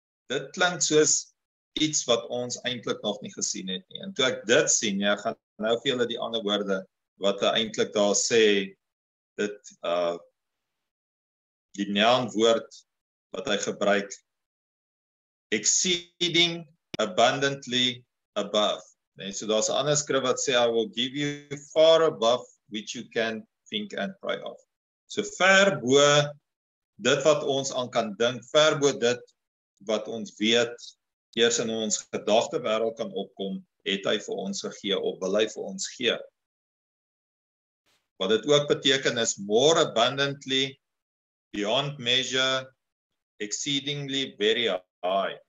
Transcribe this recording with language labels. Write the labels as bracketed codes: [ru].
[af] Dit klink soos iets wat ons eintlik nog nie gesien het nie. En toe ek dit sien, ja, gaan nou vir julle die ander woorde wat eintlik daar sê, dit die naam woord wat hy gebruik, [en] exceeding abundantly above. [af] Nee, so daar's 'n ander skrif wat sê, [en] I will give you far above which you can think and pray of. [af] So ver bo dit wat ons aan kan dink, ver bo dit wat ons weet eers in ons gedagte wêreld kan opkom, het hy vir ons gegee of wil hy vir ons gee. Wat dit ook beteken is [en] more abundantly, beyond measure, exceedingly very high.